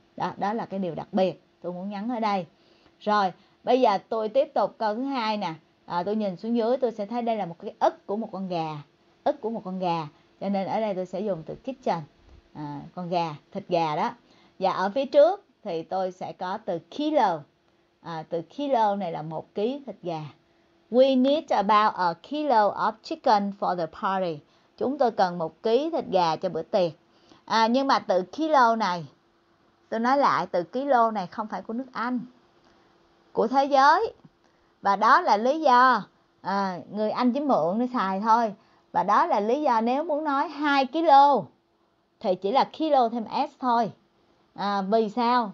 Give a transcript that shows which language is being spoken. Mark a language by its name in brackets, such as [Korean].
[Vietnamese] Đó, đó là cái điều đặc biệt tôi muốn nhắn ở đây. Rồi, bây giờ tôi tiếp tục câu thứ hai nè. Tôi nhìn xuống dưới tôi sẽ thấy đây là một cái ức của một con gà. Ức của một con gà. Cho nên ở đây tôi sẽ dùng từ kitchen. Con gà, thịt gà đó. Và ở phía trước thì tôi sẽ có từ kilo. Từ kilo này là 1 ký thịt gà. [English] We need about a kilo of chicken for the party. [Vietnamese] Chúng tôi cần 1 ký thịt gà cho bữa tiệc. Nhưng mà từ kilo này, tôi nói lại, từ kilo này không phải của nước Anh, của thế giới. Và đó là lý do người Anh chỉ mượn để xài thôi. Và đó là lý do nếu muốn nói 2 kilo thì chỉ là kilo thêm s thôi. Vì sao?